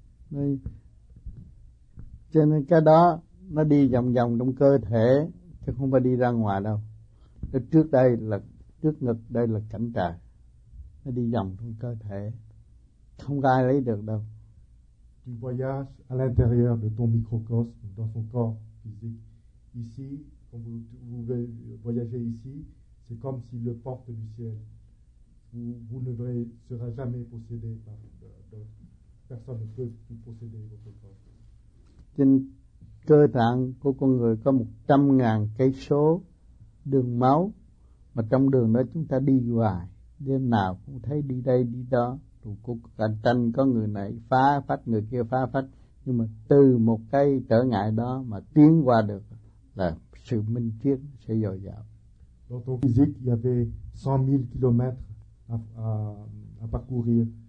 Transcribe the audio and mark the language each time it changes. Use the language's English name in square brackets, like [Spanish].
[Vietnamese] Đây, cho nên cái đó nó đi vòng vòng trong cơ thể chứ không phải đi ra ngoài đâu. Trước đây là trước ngực, đây là cảnh trạng. Nó đi vòng trong cơ thể, không ai lấy được đâu. [French] Tu voyages à l'intérieur de ton microcosme, dans ton corps physique. Ici, quand vous voyagez ici, c'est comme si le porte du ciel. Vous ne serez jamais possédé par personne ne peut vous posséder votre corps. [Vietnamese] Trên cơ tạng của con người có 100.000 cây số đường máu, mà trong đường đó chúng ta đi hoài. Đêm nào cũng thấy đi đây đi đó, tụ cuộc cạnh tranh có người này phá phách, người kia phá phách. Nhưng mà từ một cái trở ngại đó mà tiến qua được là sự minh triết sẽ dồi dào. [French] Dans ton physique, il y avait 100.000 km à parcourir.